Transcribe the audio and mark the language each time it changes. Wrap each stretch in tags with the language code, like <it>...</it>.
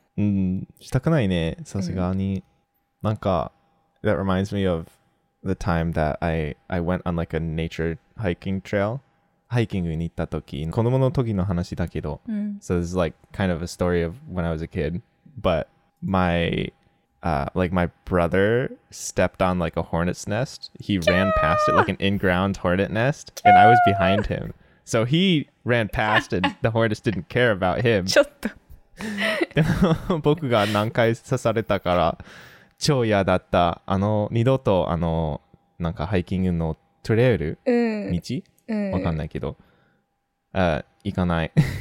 <ja>したくないね、さすがに。なんか、</ja> <en>that reminds me of... The time that I went on like a nature hiking trail.</en> <ja>Hiking に行った時、子供の時の話だけど。</ja> <en>So this is like kind of a story of when I was a kid. But my brother stepped on like a hornet's nest. He ran past it, like an in-ground hornet nest. And I was behind him. So he ran past and the hornets didn't care about him.</en> <ja>ちょっと。でも僕が何回刺されたから。超嫌だった。あの、二度と、あの、なんか、ハイキングのトレイル、道、わかんないけど、行かない。</ja>